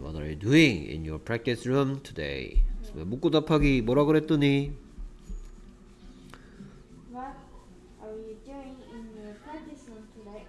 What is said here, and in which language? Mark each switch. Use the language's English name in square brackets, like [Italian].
[English] What are you doing in your practice room today? [Korean] 묻고 답하기 뭐라 그랬더니? [English] What are you doing in your practice room today?